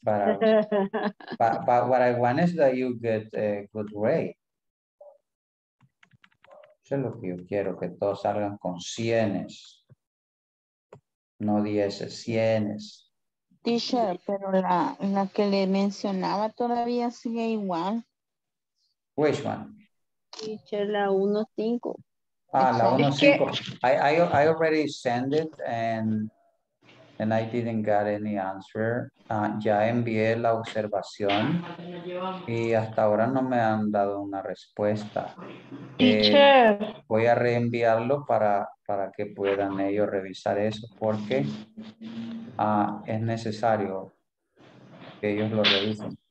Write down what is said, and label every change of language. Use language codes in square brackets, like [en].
[en] But what I want is that you get a good grade. [es] Eso es lo que yo quiero, que todos salgan con cienes. No dieces, cienes. Teacher, pero la que le mencionaba todavía sigue igual. [en] Which one? [es] Teacher, la 1.5. Ah, la 1.5. [en] I already sent it and I didn't get any answer. [es] Ya envié la observación y hasta ahora no me han dado una respuesta. [en] Teacher. [es] Voy a reenviarlo para que puedan ellos revisar eso porque es necesario que ellos lo revisen.